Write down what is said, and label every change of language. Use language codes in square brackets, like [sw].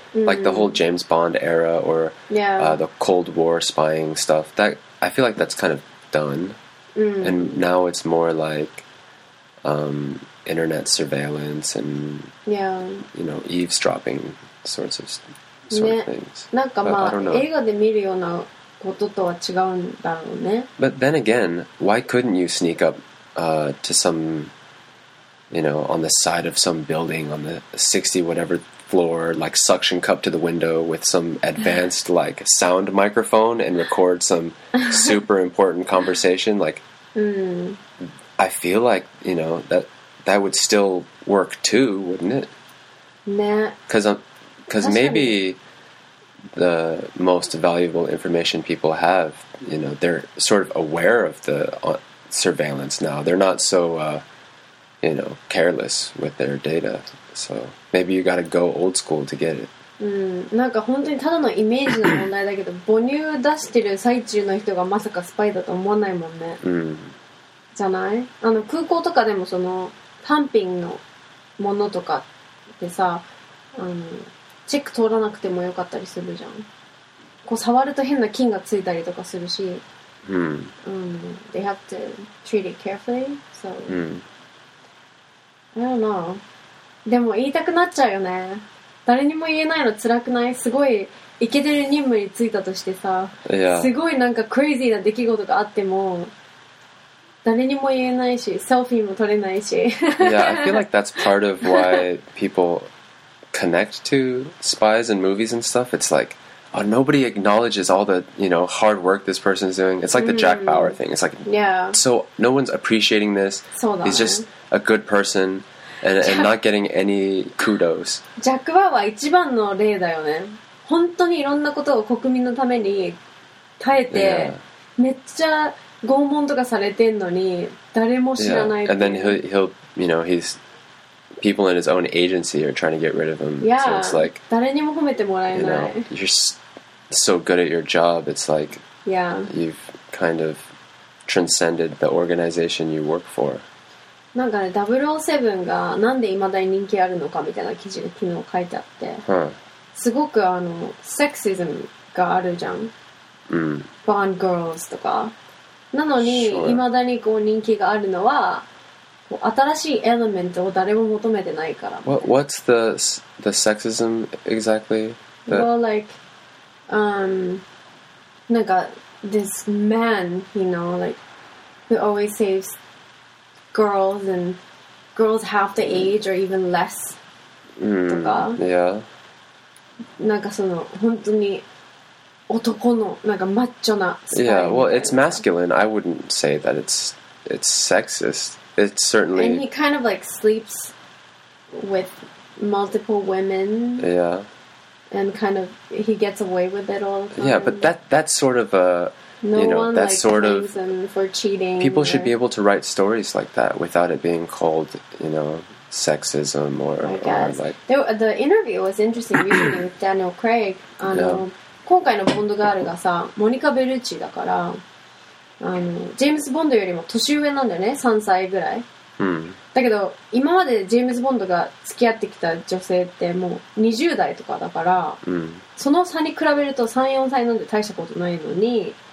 [en] Like the whole James Bond era or the Cold War spying stuff. That I feel like that's kind of done, and now it's more like internet surveillance and you know, eavesdropping sorts of things. [ja] なんかまあ映画で見るようなこととは違うんだろうね。 [en] But then again, why couldn't you sneak up, to some, you know, on the side of some building on the 60 whatever floor, like suction cup to the window with some advanced like sound microphone and record some super important conversation? Like, I feel like, you know, that would still work too, wouldn't it? [ja] ね。 [en] Because maybe. The most valuable information people have, you know, they're sort of aware of the surveillance now. They're not so, you know, careless with their data. So maybe you got to go old school to get it. [ja] なんか本当にただのイメージの問題だけど、母乳出してる最中の人がまさかスパイだと思わないもんね。じゃない？あの空港とかでもそのタンピングのものとかでさ、チェック通らなくてもよかったりするじゃん。こう触ると変な菌がついたりとかするし。 [en] They have to treat it carefully, so. I don't know. [ja] でも言いたくなっちゃうよね。誰にも言えないの辛くない？すごいイケてる任務に就いたとしてさ、すごいなんかクレイジーな出来事があっても、誰にも言えないし、セルフィーも撮れないし。 [en] Yeah, I feel like that's part of why people... connect to spies and movies and stuff. It's like, oh, nobody acknowledges all the, you know, hard work this person is doing. It's like the Jack Bauer thing. It's like, so no one's appreciating this. He's just a good person and not getting any kudos. Jack Bauer is [ja] 一番の例だよね。本当にいろんなことを国民のために耐えて、めっちゃ拷問とかされてんのに誰も知らない。 [en] And then he'll you know, he'sPeople in his own agency are trying to get rid of him. Yeah, so it's like, [ja] 誰にも褒めてもらえない。 [en] You know, you're so good at your job, it's like you've kind of transcended the organization you work for. [ja] なんかね、007がなんで未だに人気あるのかみたいな記事が昨日書いてあって、すごくあのセクシズムがあるじゃん。 [en] Bond girls [ja] とか。なのに、未だにこう人気があるのは、新しいエレメントを誰も求めてないから。 [en] What's the sexism exactly? Well, like, [ja] なんか [en] this man, you know, like, who always saves girls and girls half the age or even less [ja] とか。 [en] Yeah. [ja] なんかその本当に男のなんかマッチョなスパイみたい [en] な。Yeah, well, it's masculine. I wouldn't say that it's sexist. It's certainly... And he kind of like sleeps with multiple women. Yeah. And kind of, he gets away with it all the time. Yeah, but that's sort of a... No you know, one that like sort of him for cheating. People should be able to write stories like that without it being called, you know, sexism or, I guess. Or like... The interview was interesting, recently with Daniel Craig. Yeah. [ja] 今回のボンドガールがさ、モニカ・ベルチだから、ジェームズ・ボンドよりも年上なんだよね、3歳ぐらい。 Hmm. だけど、今までジェームズ・ボンドが付き合ってきた女性ってもう20代とかだから、 hmm. その差に比べると3、4歳なんで大したことないのに、